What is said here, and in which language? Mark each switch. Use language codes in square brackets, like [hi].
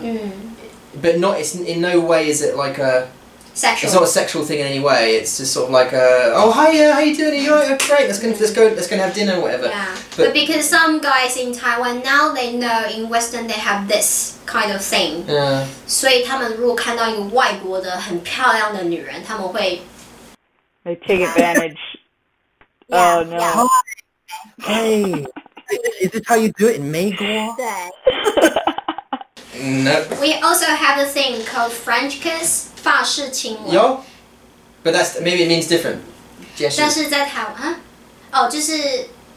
[en] Mm. But not, it's in no way is it like a... Sexual. It's not a sexual thing in any way. It's just sort of like a, oh, hiya, how you doing? Are you all right? Great, let's go have dinner or whatever. Yeah. But because some guys in Taiwan, now they know in Western they have this kind of thing. Yeah. [zh] 所以他们如果看到一个外国的很漂亮的女人，他们会... [en] They take advantage. Yeah, oh no. Yeah. Hey, is this how you do it in Maygor? No. Nope. We also have a thing called French kiss, [zh] 法式亲吻. [en] Yo? But that's, maybe it means different. Yes. [zh] 但是在台湾, [en] huh? Oh, [zh] 就是...